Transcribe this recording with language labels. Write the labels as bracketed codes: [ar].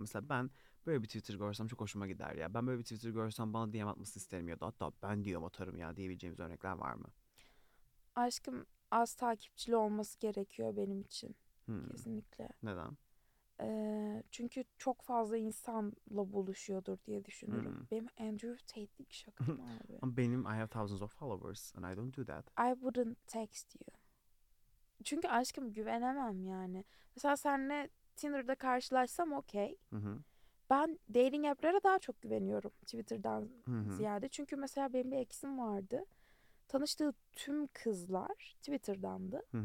[tr] Mesela ben böyle bir Twitter görsem çok hoşuma gider ya. Ben böyle bir Twitter görsem bana DM atmasını isterim ya da hatta ben DM atarım ya diyebileceğimiz örnekler var mı? Aşkım az takipçili olması gerekiyor benim için. Kesinlikle. Neden? Çünkü çok fazla insanla buluşuyordur diye düşünürüm. Benim Andrew Tate'lik şakam abi. Ama benim [en] I have thousands of followers and I don't do that. I wouldn't text you. [tr] Çünkü aşkım güvenemem yani. Mesela seninle Tinder'da karşılaşsam okey. Ben dating app'lere daha çok güveniyorum Twitter'dan ziyade. Çünkü mesela benim bir ex'im vardı. tanıştığı tüm kızlar Twitter'dandı.